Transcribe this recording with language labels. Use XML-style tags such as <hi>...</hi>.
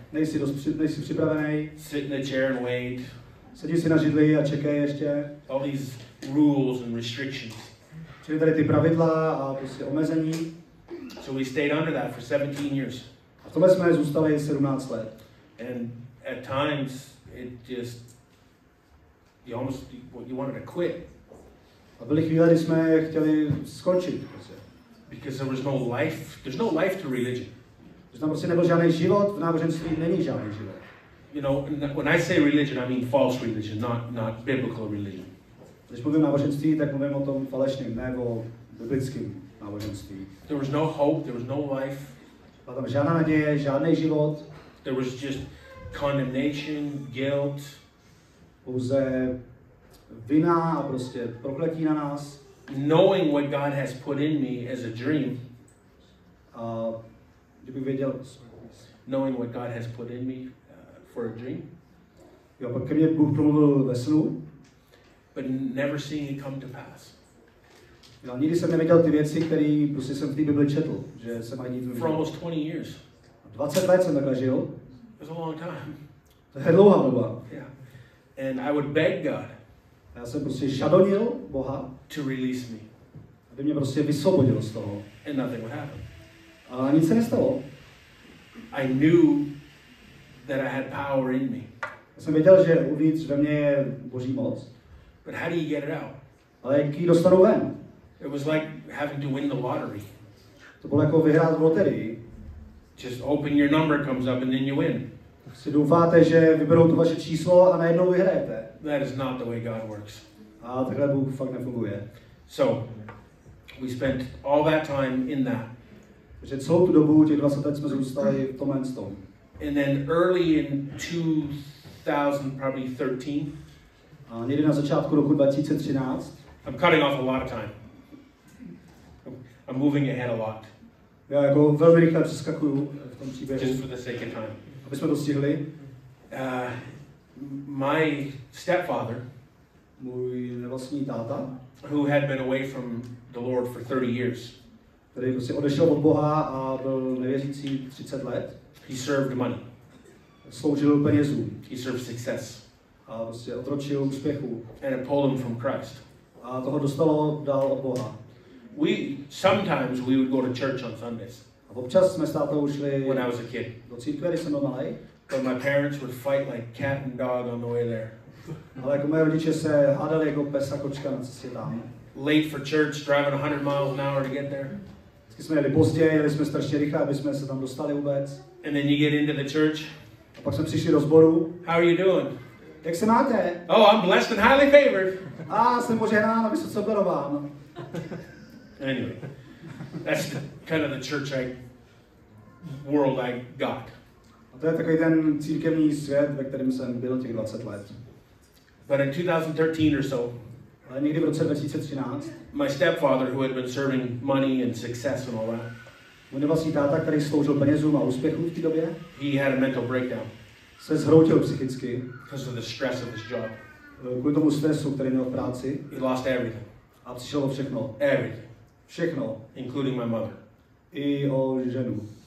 <cs>Nejsi připravený.</cs> <en>Sit in a chair and wait.</en> <cs>Sedí si na židli a čekej ještě.</cs> <en>All these rules and restrictions.</en> <cs>Čili tady ty pravidla a prostě omezení.</cs> <en>So we stayed under that for 17 years.</en> <cs>A tohle jsme zůstali 17 let.</cs> <en>And at times it just you wanted to quit.</en> <cs>A byly chvíle, kdy jsme chtěli skončit. Prostě.</cs> <en>Because there was no life. There's no life to religion.</en> <cs>Že tam prostě nebyl žádný život, v náboženství není žádný život.</cs> <en>You know, when I say religion, I mean false religion, not biblical religion.</en> <cs>Když mluvím o náboženství, tak mluvím o tom falešném, ne o biblickém náboženství.</cs> <en>There was no hope, there was no life.</en> <cs>Byla tam žádná naděje, žádný život.</cs> <en>There was just condemnation, guilt.</en> <cs>Pouze vina a prostě prokletí na nás.</cs> <en>Knowing what God has put in me as a dream.</en> <cs>Kdybych věděl,</cs> <en>knowing what God has put in me for a dream.</en> <cs>Jo, pak ke mně Bůh promluvil ve snu.</cs> <en>But never seeing it come to pass.</en> <cs>Jo, nikdy jsem nevěděl ty věci, které prostě jsem v té Bibli četl, že se mají dít.</cs> <en>For almost 20 years.</en> <cs>20 let jsem takhle žil.</cs> <en>It was a long time.</en> <cs>To je dlouhá doba.</cs> <en>Yeah. And I would beg God.</en> <cs>Já jsem prostě žadonil Boha.</cs> <en>To release me.</en> <cs>Aby mě prostě vysvobodil z toho.</cs> <en>And nothing would happen.</en> <cs>A nic se nestalo.</cs> <en>I knew that I had power in me.</en> <cs>Já jsem věděl, že uvnitř ve mně je Boží moc.</cs> <en>But how do you get it out?</en> <cs>Ale jak ji dostanu ven?</cs> <en>It was like having to win the lottery.</en> <cs>To bylo jako vyhrát v loterii.</cs> <en>Just open your number comes up and then you win.</en> <cs>Si doufáte, že vyberou to vaše číslo a najednou vyhrajete.</cs> <en>That is not the way God works.</en> <cs>A takhle Bůh fakt nefunguje.</cs> <en>So, we spent all that time in that.</en> <cs>Takže celou tu dobu, těch 20 let, jsme zůstali v tom</cs> <en>and</en> <cs>tom.</cs> <en>And then early in 2013,</en> <cs>a někdy na začátku roku 2013.</cs> <en>I'm cutting off a lot of time. I'm moving ahead a lot.</en> <cs>Já jako velmi rychle přeskakuju v tom příběhu.</cs> <en>Just for the sake of time.</en> <cs>Aby jsme to stihli.</cs> <en>My stepfather,</en> <cs>můj vlastní táta,</cs> <en>who had been away from the Lord for 30 years,</en> <cs>který prostě odešel od Boha a byl nevěřící 30 let,</cs> <en>he served money.</en> <cs>Sloužil penězům.</cs> <en>He served success.</en> <cs>A prostě otročil úspěchu.</cs> <en>And it pulled him from Christ.</en> <cs>A toho dostalo dál od Boha.</cs> <en>Sometimes we would go to church on Sundays.</en> <cs>A občas jsme s tátou šli.</cs> <en>When I was a kid.</en> <cs>Do církve, když jsem byl malý.</cs> <en>But my parents would fight like cat and dog on the way there.</en> <cs>Ale jako moje rodiče se hádali jako pes a kočka na cestě tam.</cs> <en>Late for church, driving 100 miles an hour to get there.</en> <cs>Vždycky jsme jeli pozdě, jeli jsme strašně rychle, aby jsme se tam dostali vůbec.</cs> <en>And then you get into the church.</en> <cs>A pak jsme přišli do sboru.</cs> <en>How are you doing?</en> <cs>Jak se máte?</cs> <en>Oh, I'm blessed and highly favored.</en> <cs>A jsem požehnán, aby se co obdarován.</cs> <en>Anyway, that's kind of the church world I got.</en> <cs>A to je takový ten církevní svět, ve kterém jsem byl těch 20 let.</cs> <en>But in 2013 or so,</en> <cs>ale někdy v roce 2013,</cs> <en>my stepfather, who had been serving money and success and all that,</en> <cs>můj nevlastní táta, který sloužil penězům a úspěchu v té době,</cs> <en>he had a mental breakdown.</en> <cs>Se zhroutil psychicky.</cs> <en>Because of the stress of his job.</en> <cs>Kvůli tomu stresu, který měl v práci.</cs> <en>He lost everything.</en> <cs>A přišel o všechno.</cs> <en>Everything.</en> <cs>Všechno.</cs> <en>Including my mother.</en> <cs>I o ženu.</cs>